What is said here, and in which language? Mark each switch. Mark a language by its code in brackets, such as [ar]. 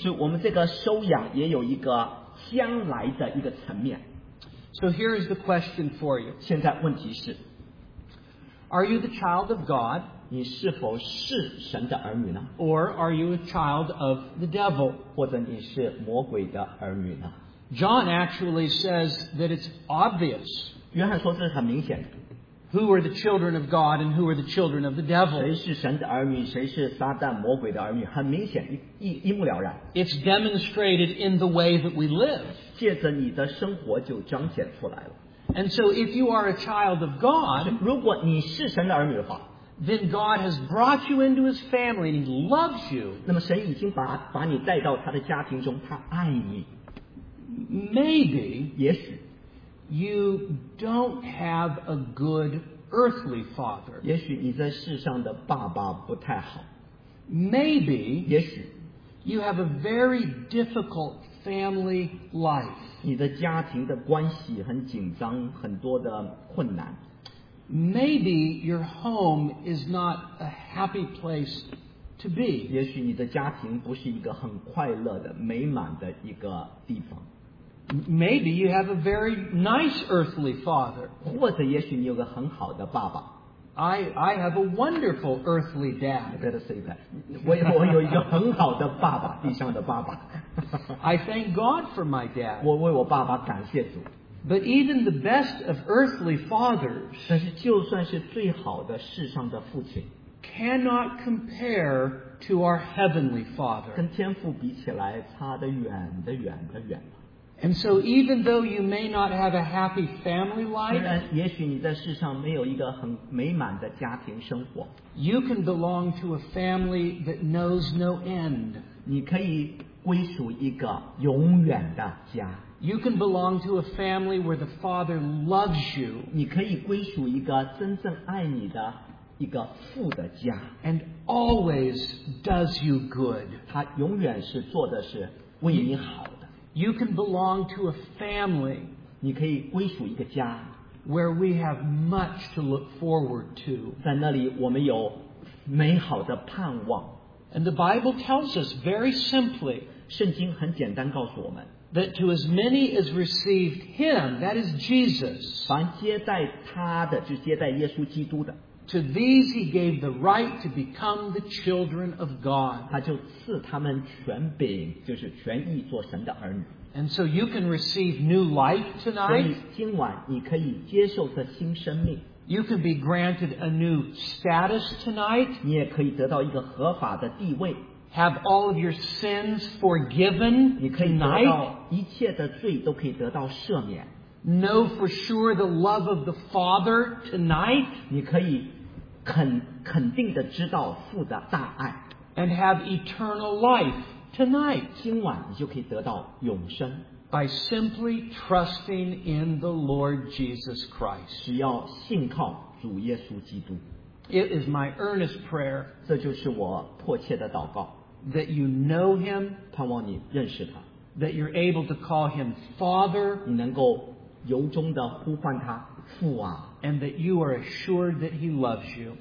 [en] So here is the question for you. [zh] 现在问题是, [en] are you the child of God? [zh] 你是否是神的儿女呢? [en] Or are you a child of the devil? [zh] 或者你是魔鬼的儿女呢? [en] John actually says that it's obvious. [zh] 约翰说这是很明显的。 [en] Who are the children of God and who are the children of the devil? [zh] 谁是神的儿女，谁是撒旦魔鬼的儿女，很明显，一目了然。 [en] It's demonstrated in the way that we live. [zh] 借着你的生活就彰显出来了。 [en] And so if you are a child of God, [zh] 如果你是神的儿女的话， [en] then God has brought you into his family and he loves you. [zh] 那么神已经把你带到他的家庭中，他爱你。 [en] Maybe, [zh] 也许。 [en] You don't have a good earthly father. [zh] 也许你在世上的爸爸不太好。 [en] Maybe, [zh] 也许 [en] you have a very difficult family life. [zh] 你的家庭的关系很紧张，很多的困难。 [en] Maybe your home is not a happy place to be. [zh] 也许你的家庭不是一个很快乐的、美满的一个地方。 [en] Maybe you have a very nice earthly father. [zh] 或者也许你有个很好的爸爸。 [en] I have a wonderful earthly dad. You better say that. [zh] 我有一个很好的爸爸，地上的爸爸。 [en] I thank God for my dad. [zh] 我为我爸爸感谢主。 [en] But even the best of earthly fathers, [zh] 但是就算是最好的世上的父亲， [en] cannot compare to our heavenly father. [zh] 跟天父比起来，差得远得远得远。 [en] And so even though you may not have a happy family life, [zh] 虽然也许你在世上没有一个很美满的家庭生活, [en] you can belong to a family that knows no end. [zh] 你可以归属一个永远的家。 [en] You can belong to a family where the father loves you. [zh] 你可以归属一个真正爱你的一个父的家。 [en] And always does you good. [zh] 他永远是做的是为你好。 [en] You can belong to a family [zh] 你可以归属一个家 [en] where we have much to look forward to. [zh] 在那里我们有美好的盼望。 [en] And the Bible tells us very simply, [zh] 圣经很简单告诉我们, [en] that to as many as received Him, that is Jesus, [zh] 凡接待他的, 就接待耶稣基督的, [en] to these He gave the right to become the children of God. [zh] 他就赐他们权柄, 就是权义做神的儿女。 [en] And so you can receive new life tonight. [zh] 所以今晚你可以接受这新生命。 [en] You can be granted a new status tonight. [zh] 你也可以得到一个合法的地位。 [en] Have all of your sins forgiven tonight. [zh] 你可以得到一切的罪都可以得到赦免。 [en] Know for sure the love of the Father tonight. [zh] 你可以肯定的知道父的大爱。 [en] And have eternal life tonight. [zh] 今晚你就可以得到永生。 [en] By simply trusting in the Lord Jesus Christ. [zh] 只要信靠主耶稣基督。 [en] It is my earnest prayer. [zh] 这就是我迫切的祷告。 [en] That you know Him. [zh] 盼望你认识他。 [en] That you're able to call Him Father. [zh] 你能够由衷的呼唤他父啊。 [en] And that you are assured that He loves you.